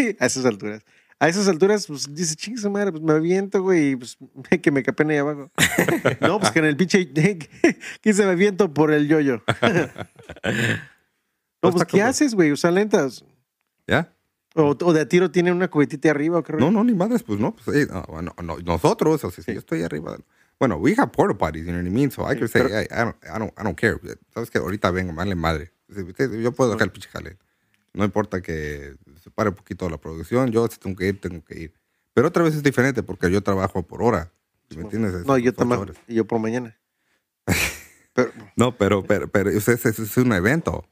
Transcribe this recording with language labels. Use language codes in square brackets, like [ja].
[es] A esas alturas, pues dice, chingue su madre, pues me aviento, güey, y pues que me capen ahí abajo. No, pues que en el pinche. Que se me aviento por el yo-yo. No, pues ¿qué haces, güey? Usa lentas. ¿Ya? O de a tiro tienen una cubetita arriba, creo. No, ni madres, pues no. Pues, no, nosotros, o sea, sí. Si yo estoy arriba. [en] Bueno, we have porta potties, you know what I mean? So I can say, hey, I don't care. [es] ¿Sabes qué? Ahorita vengo, vale madre. Yo puedo dejar el pinche jale. No importa que se pare un poquito la producción. Yo si tengo que ir, tengo que ir. Pero otra vez es diferente porque yo trabajo por hora. ¿Sí me entiendes? No, yo también. Y yo por mañana. Pero ustedes, eso es un evento.